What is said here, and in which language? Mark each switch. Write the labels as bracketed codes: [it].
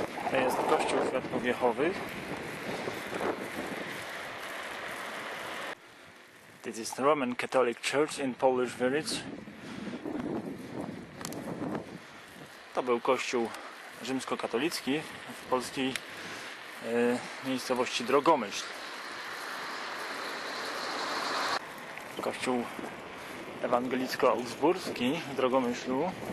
[pl] To jest kościół Świadków Jehowy. [en] This is the Roman Catholic Church in Polish village. [pl] To był kościół rzymskokatolicki w polskiej miejscowości Drogomyśl. Kościół ewangelicko-augsburski w Drogomyślu.